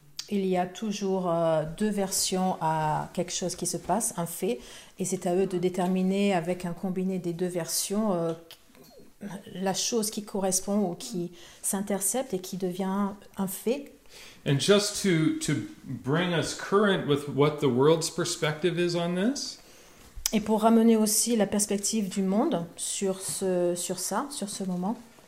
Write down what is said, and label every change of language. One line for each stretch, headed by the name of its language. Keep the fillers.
French: il y a toujours euh, deux versions à quelque chose qui se passe un fait et c'est à eux de déterminer avec un combiné des deux versions euh, la chose qui correspond ou qui s'intercepte et qui devient un fait
English: and just to to bring us current with what the world's perspective is on this
French: et pour ramener aussi la perspective du monde sur, ce, sur ça sur ce moment